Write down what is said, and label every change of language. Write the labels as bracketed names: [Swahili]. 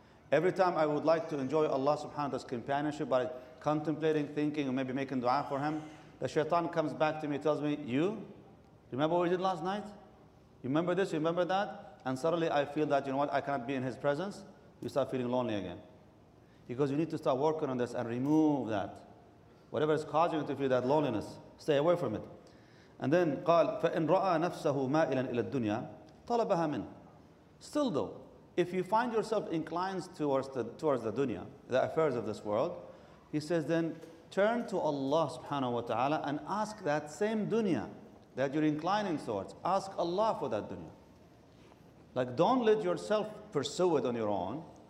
[English] Every time I would like to enjoy Allah subhanahu wa ta'ala's companionship by contemplating, thinking, or maybe making dua for Him, the shaitan comes back to me, tells me, you? Remember what we did last night? You remember this? You remember that? And suddenly I feel that, you know what, I cannot be in His presence. You start feeling lonely again. Because you need to start working on this and remove that. Whatever is causing you to feel that loneliness, stay away from it. And then, [Arabic] قال, فَإِنْ رَأَى نَفْسَهُ مَائِلًا إِلَى الدُّنْيَا طَلَبَهَا مِنْ. [English] Still though, if you find yourself inclined towards the dunya, the affairs of this world, he says then, Turn to Allah subhanahu wa ta'ala and ask that same dunya that you're inclining towards. Ask Allah for that dunya. Like, don't let yourself pursue it on your own.